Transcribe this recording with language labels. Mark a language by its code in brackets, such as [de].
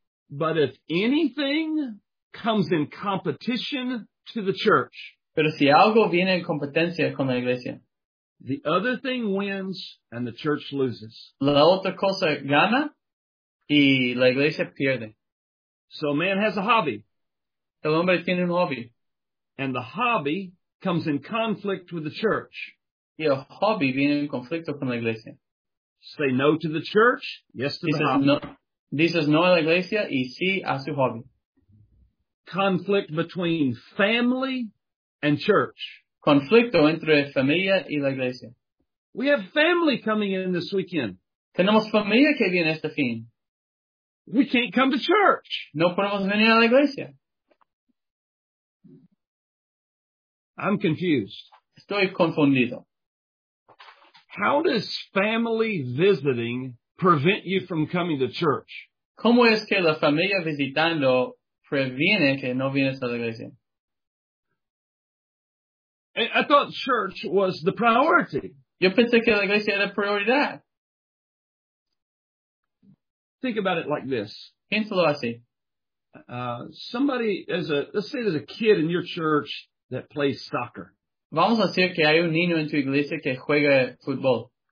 [en] But if anything comes in competition to the church. [es] Pero si algo viene en competencia con la iglesia. [en] The other thing wins and the church loses. [es] La otra cosa gana y la iglesia pierde. [en] So man has a hobby. [es] El hombre tiene un hobby. [en] And the hobby comes in conflict with the church. [es] Y el hobby viene en conflicto con la iglesia. [en] Say no to the church, yes to the hobby. [es] Dices no a la iglesia y sí a su hobby. [en] Conflict between family and church. [es] Conflicto entre familia y la iglesia. [en] We have family coming in this weekend. [es] Tenemos familia que viene este fin. [en] We can't come to church. [es] No podemos venir a la iglesia. [en] I'm confused. [es] Estoy confundido. [en] How does family visiting prevent you from coming to church? [es] ¿Cómo es que la familia visitando previene que no vienes a la iglesia? [en] I thought church was the priority. [es] Yo pensé que la iglesia era prioridad. [en] Think about it like this. [es] Piénsalo así. [en] Somebody, let's say there's a kid in your church that plays soccer. [es] Vamos a decir que hay un niño en tu iglesia que juega fútbol.